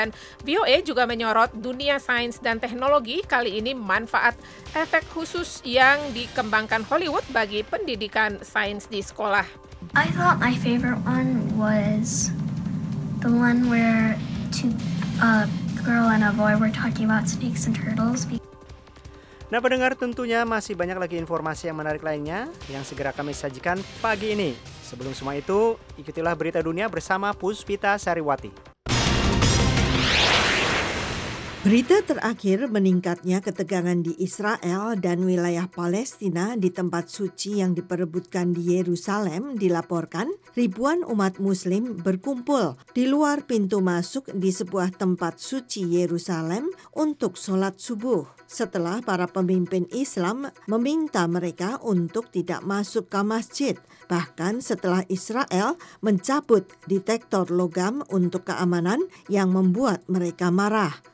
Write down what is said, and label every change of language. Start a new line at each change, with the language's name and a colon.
Indonesian: Dan VOA juga menyorot dunia sains dan teknologi, kali ini manfaat efek khusus yang dikembangkan Hollywood bagi pendidikan sains di sekolah.
English: I thought my favorite one was the one where a girl and a boy were talking about snakes and turtles.
Indonesian: Nah, pendengar, tentunya masih banyak lagi informasi yang menarik lainnya yang segera kami sajikan pagi ini. Sebelum semua itu, ikutilah berita dunia bersama Puspita Sariwati. Berita terakhir, meningkatnya ketegangan di Israel dan wilayah Palestina di tempat suci yang diperebutkan di Yerusalem dilaporkan ribuan umat Muslim berkumpul di luar pintu masuk di sebuah tempat suci Yerusalem untuk sholat subuh setelah para pemimpin Islam meminta mereka untuk tidak masuk ke masjid, bahkan setelah Israel mencabut detektor logam untuk keamanan yang membuat mereka marah.